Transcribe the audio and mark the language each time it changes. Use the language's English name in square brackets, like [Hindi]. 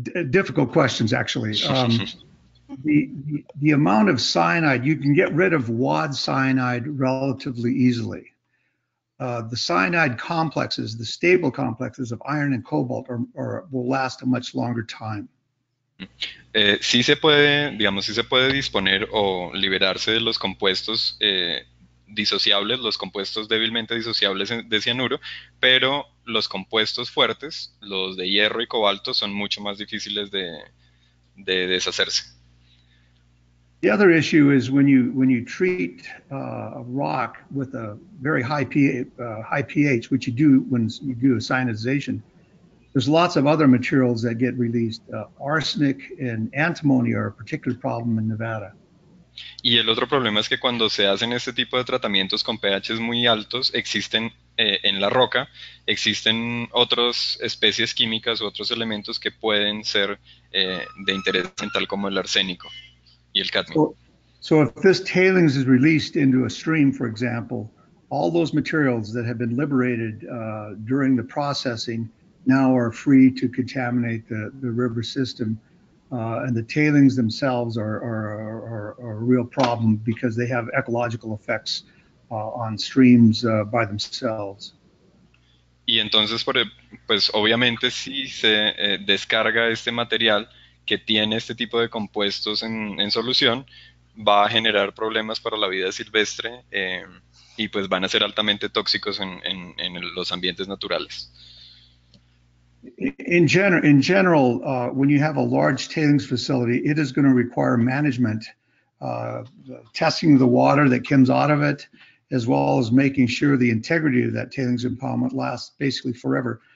[English] Difficult questions, actually. The amount of cyanide, you can get rid of wad cyanide relatively easily. The cyanide complexes, the stable complexes of iron and cobalt, will last a much longer time. [Spanish] Sí se puede, digamos, sí se puede disponer o liberarse de los compuestos disociables, los compuestos débilmente disociables de cianuro, pero los compuestos fuertes, los de hierro y cobalto, son mucho más difíciles de deshacerse. [English] The other issue is when you treat a rock with a very high pH, which you do when you do a cyanidization, there's lots of other materials that get released. Arsenic and antimony are a particular problem in Nevada. [Spanish] Y el otro problema es que cuando se hacen este tipo de tratamientos con pHs muy altos, existen en la roca, existen otras especies químicas u otros elementos que pueden ser de interés, tal como el arsénico y el cadmio. [English] So if this tailings is released into a stream, for example, all those materials that have been liberated during the processing now are free to contaminate the river system, and the tailings themselves are a real problem because they have ecological effects on streams by themselves. [Spanish] Y entonces, pues obviamente si se descarga este material que tiene este tipo de compuestos en solución, va a generar problemas para la vida silvestre y pues van a ser altamente tóxicos en los ambientes naturales. [English] In general, when you have a large tailings facility, it is going to require management, the testing of the water that comes out of it, as well as making sure the integrity of that tailings impoundment lasts basically forever.